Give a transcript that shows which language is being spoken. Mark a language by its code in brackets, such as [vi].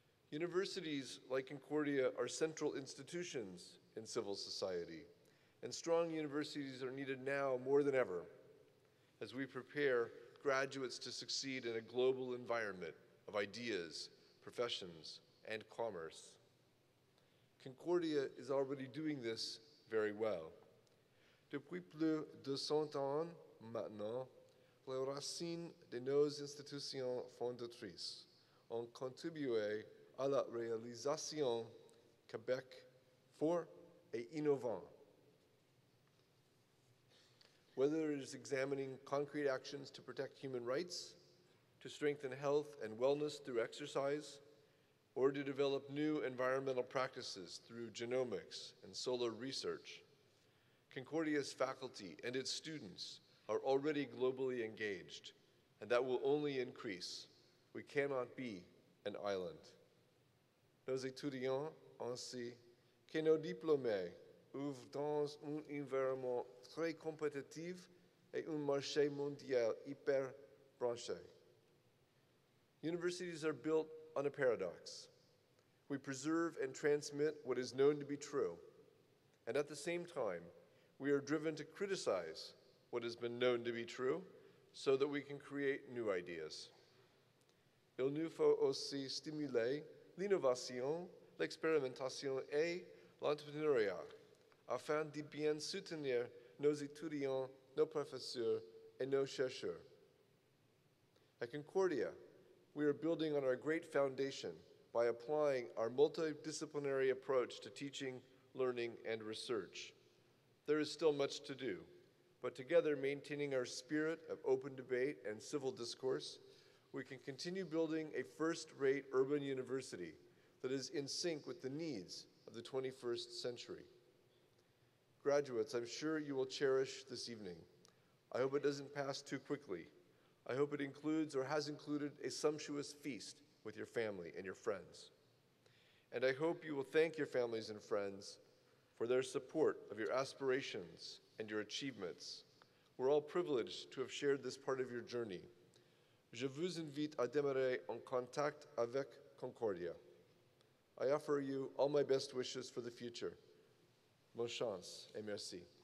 [en] Universities like Concordia are central institutions in civil society, and strong universities are needed now more than ever as we prepare graduates to succeed in a global environment of ideas, professions, and commerce. Concordia is already doing this very well. [fr] Depuis plus de 100 ans maintenant, les racines de nos institutions fondatrices ont contribué à la réalisation Québec fort et innovant. [en] Whether it is examining concrete actions to protect human rights, to strengthen health and wellness through exercise, or to develop new environmental practices through genomics and solar research, Concordia's faculty and its students are already globally engaged, and that will only increase. We cannot be an island. [fr] Nos étudiants, ainsi que nos diplômés, ouvrent dans un environnement très compétitif et un marché mondial hyper branché. [en] Universities are built on a paradox. We preserve and transmit what is known to be true, and at the same time, we are driven to criticize what has been known to be true so that we can create new ideas. [fr] Il nous faut aussi stimuler l'innovation, l'expérimentation et l'entrepreneuriat afin de bien soutenir nos étudiants, nos professeurs et nos chercheurs. [en] At Concordia, we are building on our great foundation by applying our multidisciplinary approach to teaching, learning, and research. There is still much to do, but together, maintaining our spirit of open debate and civil discourse, we can continue building a first-rate urban university that is in sync with the needs of the 21st century. Graduates, I'm sure you will cherish this evening. I hope it doesn't pass too quickly. I hope it includes or has included a sumptuous feast with your family and your friends. And I hope you will thank your families and friends for their support of your aspirations and your achievements. We're all privileged to have shared this part of your journey. [fr] Je vous invite à demeurer en contact avec Concordia. [en] I offer you all my best wishes for the future. [fr] Bonne chance et merci.